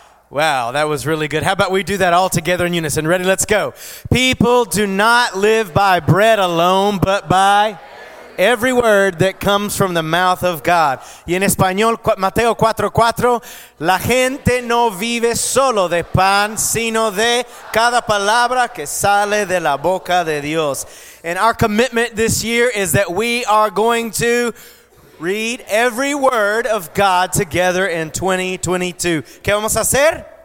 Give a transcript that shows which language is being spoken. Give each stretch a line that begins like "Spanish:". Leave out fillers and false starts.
English: Wow, that was really good. How about we do that all together in unison? Ready? Let's go. People do not live by bread alone, but by every word that comes from the mouth of God.
Spanish: Y en español, Mateo 4:4, la gente no vive solo de pan, sino de cada palabra que sale de la boca de Dios.
English: And our commitment this year is that we are going to read every word of God together in 2022.
Spanish: ¿Qué vamos a hacer?